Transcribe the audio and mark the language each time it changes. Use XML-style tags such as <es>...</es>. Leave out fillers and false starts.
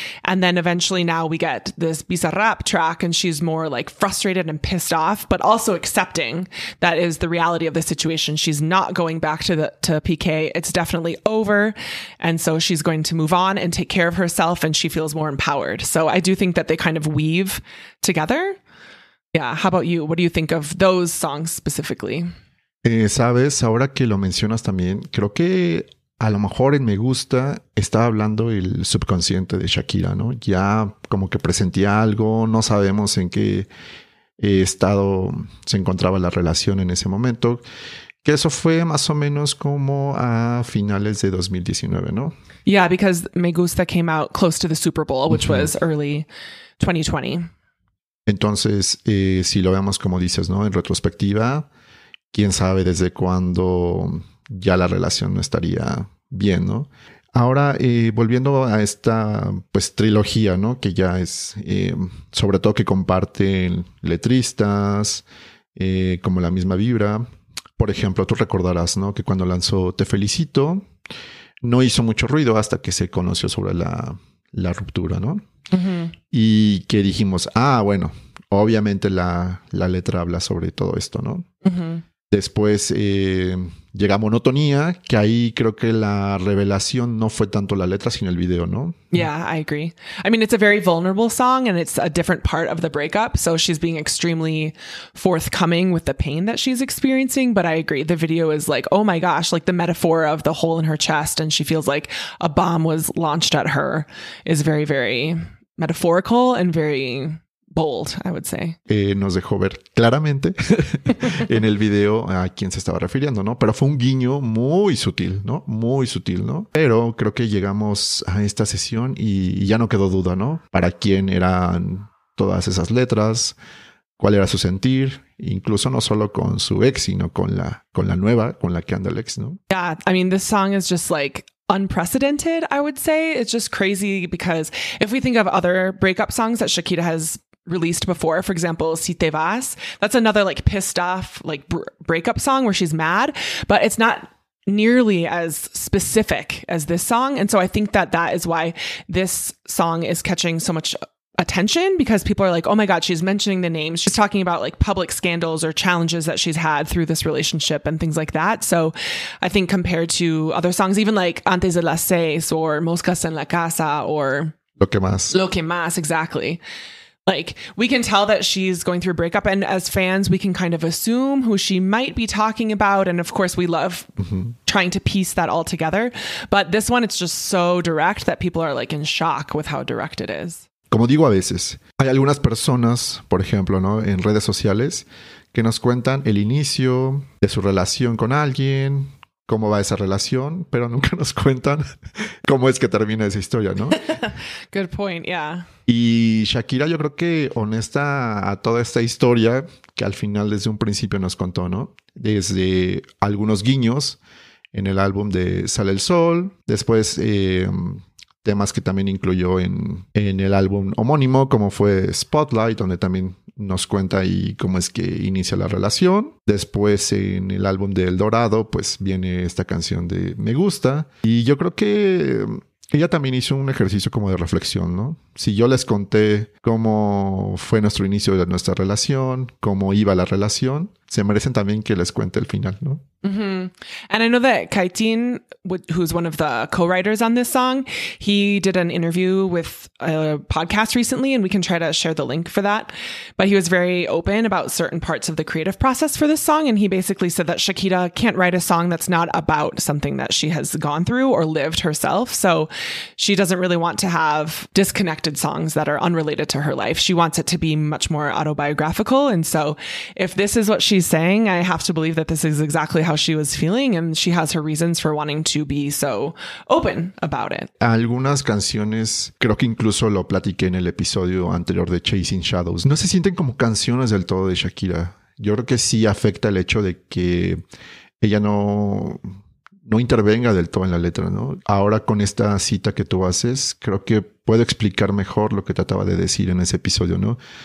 <en>And then eventually now we get this Bizarrap track and she's more like frustrated and pissed off, but also accepting that is the reality of the situation. She's not going back to PK. It's definitely over. And so she's going to move on and take care of herself and she feels more empowered. So I do think that they kind of weave together. Yeah. How about you? What do you think of those songs specifically?</en> <es>Sabes, ahora que lo mencionas también, creo que a lo mejor en Me Gusta estaba hablando el subconsciente de Shakira, ¿no? Ya como que presentía algo, no sabemos en qué estado se encontraba la relación en ese momento. Que eso fue más o menos como a finales de 2019, ¿no? Yeah, because Me Gusta came out close to the Super Bowl, which was early 2020. Entonces, si lo vemos como dices, ¿no? En retrospectiva, quién sabe desde cuándo ya la relación no estaría bien, ¿no? Ahora, volviendo a esta pues trilogía, ¿no? Que ya es, sobre todo que comparten letristas, como la misma vibra. Por ejemplo, tú recordarás, ¿no? Que cuando lanzó Te Felicito, no hizo mucho ruido hasta que se conoció sobre la ruptura, ¿no? Uh-huh. Y que dijimos, ah, bueno, obviamente la letra habla sobre todo esto, ¿no? Uh-huh. Después llega Monotonía, que ahí creo que la revelación no fue tanto la letra, sino el video, ¿no?</es> <en>Yeah, I agree. I mean, it's a very vulnerable song and it's a different part of the breakup. So she's being extremely forthcoming with the pain that she's experiencing. But I agree. The video is like, oh my gosh, like the metaphor of the hole in her chest and she feels like a bomb was launched at her is very, very metaphorical and very bold, I would say.</en> <es>Nos dejó ver claramente en el video a quién se estaba refiriendo, ¿no? Pero fue un guiño muy sutil, ¿no? Muy sutil, ¿no? Pero creo que llegamos a esta sesión y ya no quedó duda, ¿no? Para quién eran todas esas letras, cuál era su sentir, incluso no solo con su ex, sino con la nueva, con la que anda el ex, ¿no?</es> <en>Yeah, I mean, this song is just like unprecedented, I would say. It's just crazy because if we think of other breakup songs that Shakira has released before, for example, Si Te Vas, that's another like pissed off like breakup song where she's mad, but it's not nearly as specific as this song. And so I think that is why this song is catching so much attention, because people are like, oh my God, she's mentioning the names, she's talking about like public scandals or challenges that she's had through this relationship and things like that. So I think compared to other songs, even like Antes de las Seis or Moscas en la Casa or</en> <es>Lo que más,</es> <en>exactly. Like, we can tell that she's going through a breakup, and as fans, we can kind of assume who she might be talking about. And of course, we love trying to piece that all together. But this one, it's just so direct that people are like in shock with how direct it is.</en> <es>Como digo a veces, hay algunas personas, por ejemplo, ¿no? En redes sociales, que nos cuentan el inicio de su relación con alguien, cómo va esa relación, pero nunca nos cuentan cómo es que termina esa historia, ¿no?</es> <en>Good point, yeah.</en> <es>Y Shakira, yo creo que honesta a toda esta historia que al final desde un principio nos contó, ¿no? Desde algunos guiños en el álbum de Sale el Sol, después temas que también incluyó en el álbum homónimo, como fue Spotlight, donde también nos cuenta ahí cómo es que inicia la relación. Después en el álbum de El Dorado, pues viene esta canción de Me Gusta. Y yo creo que ella también hizo un ejercicio como de reflexión, ¿no? Si yo les conté cómo fue nuestro inicio de nuestra relación, cómo iba la relación, se merecen también que les cuente el final, ¿no? Mm-hmm.</es> <en>And I know that Kaitin, who's one of the co-writers on this song, he did an interview with a podcast recently, and we can try to share the link for that. But he was very open about certain parts of the creative process for this song. And he basically said that Shakira can't write a song that's not about something that she has gone through or lived herself. So she doesn't really want to have disconnected songs that are unrelated to her life. She wants it to be much more autobiographical. And so if this is what she's saying, I have to believe that this is exactly how she was feeling, and she has her reasons for wanting to be so open about it.</en> <es>Algunas canciones, creo que incluso lo platiqué en el episodio anterior de Chasing Shadows, no se sienten como canciones del todo de Shakira. Yo creo que sí afecta el hecho de que ella no intervenga del todo en la letra, ¿no? Ahora con esta cita que tú haces, creo que puedo explicar mejor lo que trataba de decir en ese episodio, ¿no?</es>